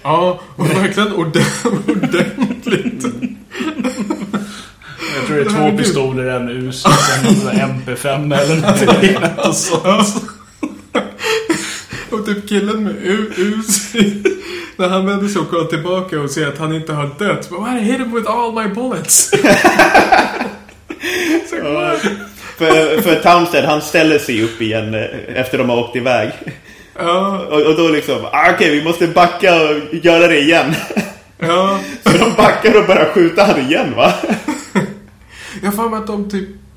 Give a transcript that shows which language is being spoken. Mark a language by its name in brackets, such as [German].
[Swedish] Ja, och verkligen ordentligt. Mm. Jag tror det är två pistoler, en US och en MP5 eller någonting. Alltså. Och typ killen med US. När han vänder sig och går tillbaka och ser att han inte har dött. [English] But I hit him with all my bullets. Så like, what? [Swedish] För Townsend, han ställer sig upp igen efter de har åkt iväg. Ja. Och då liksom, okej, vi måste backa och göra det igen. Ja. Så de backar och börjar skjuta han igen, va? Jag får med att de typ...